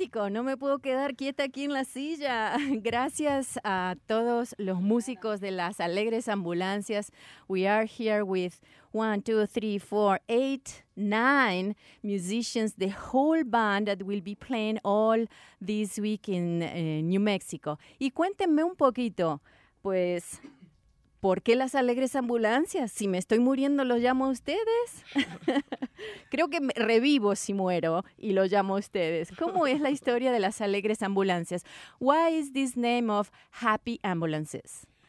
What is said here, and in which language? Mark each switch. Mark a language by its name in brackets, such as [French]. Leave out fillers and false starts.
[Spanish] No me puedo quedar quieta aquí en la silla. Gracias a todos los músicos de Las Alegres Ambulancias. [English] We are here with 1, 2, 3, 4, 8, 9 musicians, the whole band that will be playing all this week in New Mexico. [Spanish] Y cuéntenme un poquito, pues, ¿por qué Las Alegres Ambulancias? Si me estoy muriendo, ¿los llamo a ustedes? Creo que revivo si muero y los llamo a ustedes. ¿Cómo es la historia de Las Alegres Ambulancias? [English] Why is this name of Happy Ambulances?